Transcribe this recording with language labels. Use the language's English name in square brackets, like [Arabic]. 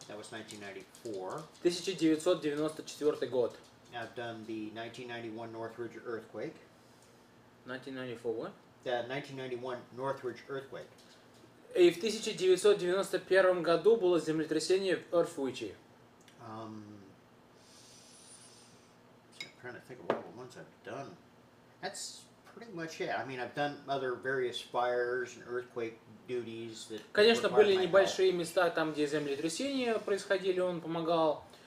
[English] That was 1994. [Russian] 1994 год. [English] I've done the 1991 Northridge earthquake. 1994 what? The 1991 Northridge earthquake. [Russian] И в 1991 году было землетрясение в Эрфуичи. [English] I'm trying to think of all the ones I've done. That's pretty much it. I mean, I've done other various fires and earthquake duties. [Russian] Конечно, были небольшие места там, где землетрясения происходили, он помогал.